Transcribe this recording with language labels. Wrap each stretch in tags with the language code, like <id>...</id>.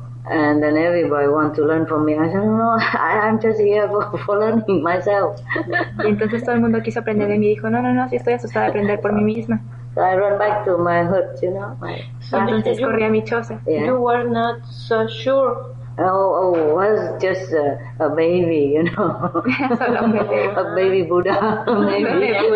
<en>And then everybody wants to learn from me. I said, no, I'm just here for learning myself.</en> <es>Y entonces todo el mundo quiso aprender de mí. Dijo, no, estoy asustada de aprender por mí misma.</es> <en>So I run back to my hut, you know.</en> <es>Entonces corrí a mi choza.</es> <en>You were not so sure. Oh, I was just a baby, you know. A baby Buddha, maybe.</en>